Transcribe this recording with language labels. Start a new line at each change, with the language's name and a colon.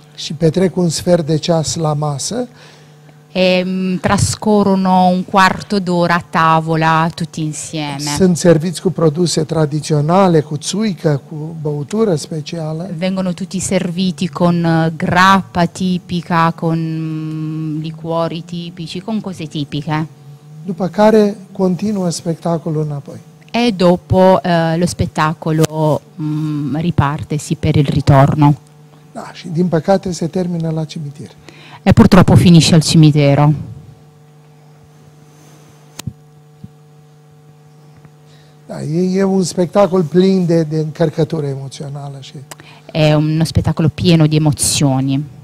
Romanian: Și petrec un sfert de ceas la masă.
Italian: E trascorrono un quarto d'ora a tavola tutti insieme.
Romanian: Sunt serviți cu produse tradiționale, cu țuică, cu băutură specială.
Italian: Vengono tutti serviti con grappa tipica, con liquori tipici, con cose tipiche.
Romanian: După care continuă spectacolul înapoi.
Italian: e dopo lo spettacolo riparte, sì, per il ritorno.
Romanian: Ah, din păcate se termină la cimitir.
Italian: E purtroppo finisce al cimitero.
Romanian: Da, e un spettacolo plin de încărcătură emoțională. Și...
Italian: è uno spettacolo pieno di emozioni.